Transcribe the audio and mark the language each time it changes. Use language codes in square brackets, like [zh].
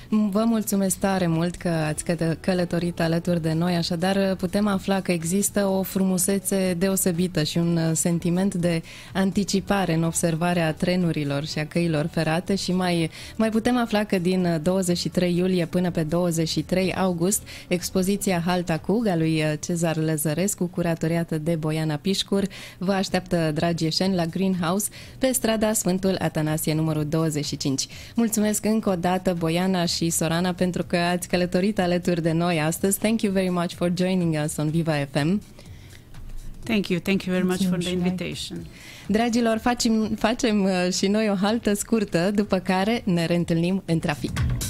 [ro] Vă mulțumesc tare mult că ați călătorit alături de noi, așadar putem afla că există o frumusețe deosebită și un sentiment de anticipare în observarea trenurilor și a căilor ferate și mai putem afla că din 23 iulie până pe 23 august expoziția Halta Cug a lui Cezar Lăzărescu, curatoriată de Boiana Pișcur, vă așteaptă, dragi ieșeni, la Greenhouse pe strada Sfântul Atanasie numărul 25. Mulțumesc încă o dată, Boiana și Sorana, pentru că ați călătorit alături de noi astăzi. [en] Thank you very much for joining us on Viva FM. Thank you very much for the invitation. [ro] Dragilor, facem și noi o haltă scurtă, după care ne reîntâlnim în trafic.